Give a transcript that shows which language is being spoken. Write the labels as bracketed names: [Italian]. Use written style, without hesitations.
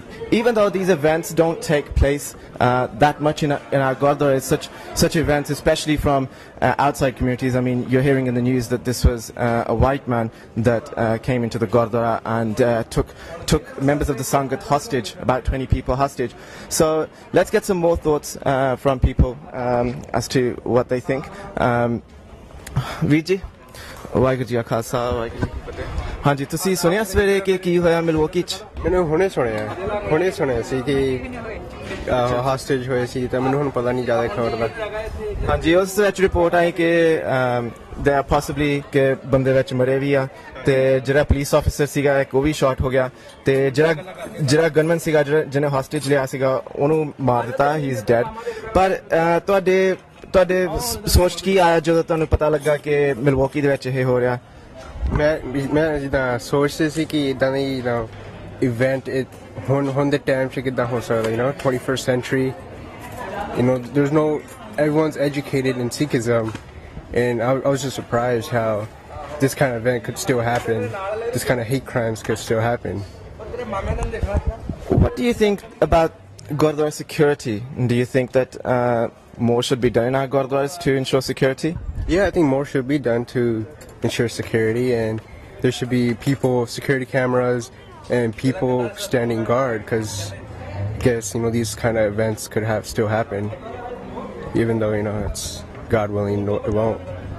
[English] Even though these events don't take place that much in our Gurdwaras, such events, especially from outside communities, I mean, you're hearing in the news that this was a white man that came into the Gurdwara and took members of the Sangat hostage, about 20 people hostage. So let's get some more thoughts from people as to what they think. [Punjabi] ਵੀਰ ਜੀ ਵਾਹਿਗੁਰੂ ਜੀ ਕਾ ਖਾਲਸਾ ਵਾਹਿਗੁਰੂ ਜੀ ਕੀ ਫਤਿਹ। ਹਾਂਜੀ ਤੁਸੀਂ ਸੁਣਿਆ ਸਵੇਰੇ ਕਿ ਕੀ ਹੋਇਆ ਮਿਲਵੋਕੀ 'ਚ? ਮੈਨੂੰ ਹੁਣੇ ਸੁਣਿਆ ਸੀ ਕਿ ਹਾਸਟੇਜ ਹੋਏ ਸੀ, ਤਾਂ ਮੈਨੂੰ ਹੁਣ ਪਤਾ ਨਹੀਂ ਜ਼ਿਆਦਾ ਖਬਰ ਦਾ। ਹਾਂਜੀ ਉਸ ਵਿੱਚ ਰਿਪੋਰਟ ਆਈ ਕਿ [English] ਦੇ ਪੋਸੀਬਲੀ [Punjabi] ਕਿ ਬੰਦੇ ਵਿੱਚ ਮਰੇ ਵੀ ਆ, ਅਤੇ ਜਿਹੜਾ ਪੁਲਿਸ ਆਫਿਸਰ ਸੀਗਾ ਇੱਕ ਉਹ ਵੀ ਸ਼ਾਟ ਹੋ ਗਿਆ, ਅਤੇ ਜਿਹੜਾ ਗਨਮੈਨ ਸੀਗਾ ਜਿਹਨੇ ਹਾਸਟੇਜ ਲਿਆ ਸੀਗਾ ਉਹਨੂੰ ਮਾਰ ਦਿੱਤਾ, [English] He is dead. [Punjabi] ਪਰ ਤੁਹਾਡੇ ਸੋਚ ਕੀ ਆਇਆ ਜਦੋਂ ਤੁਹਾਨੂੰ ਪਤਾ ਲੱਗਾ ਕਿ ਮਿਲਵੋਕੀ ਦੇ ਵਿੱਚ ਇਹ ਹੋ ਰਿਹਾ? ਮੈਂ ਜਿੱਦਾਂ ਸੋਚਦੇ ਸੀ ਕਿ ਇੱਦਾਂ ਦੀ ਜਿੱਦਾਂ ਇਵੈਂਟ ਹੁਣ ਦੇ ਟਾਈਮ 'ਚ ਕਿੱਦਾਂ ਹੋ ਸਕਦਾ, [English] You know 21st century, you know there is no everyone is educated in Sikhism, and I was just surprised how this kind of event could still happen, this kind of hate crimes could still happen. What do you think about gurdwara security? Do you think that more should be done in our gurdwaras to ensure security? Yeah I think more should be done to ensure security, and there should be people security cameras and people standing guard, cuz guess you know these kind of events could have still happen even though you know it's God willing no, it won't.